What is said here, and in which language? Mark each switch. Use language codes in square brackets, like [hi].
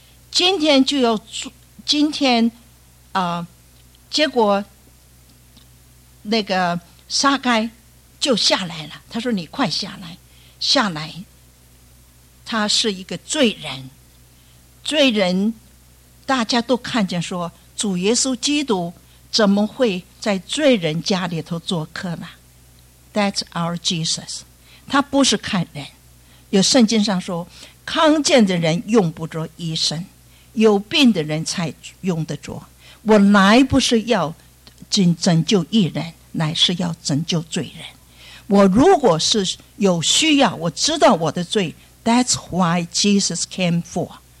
[zh] 今天就要住，今天结果那个撒该就下来了。他说：“你快下来，下来。” 他是一个罪人。罪人，大家都看见说，主耶稣基督怎么会在罪人家里头做客呢？ [en] That's our Jesus， [zh] 他不是看人。有圣经上说，康健的人用不着医生，有病的人才用得着。我来不是要拯救义人，乃是要拯救罪人。我如果是有需要，我知道我的罪， [en] That's why Jesus came for。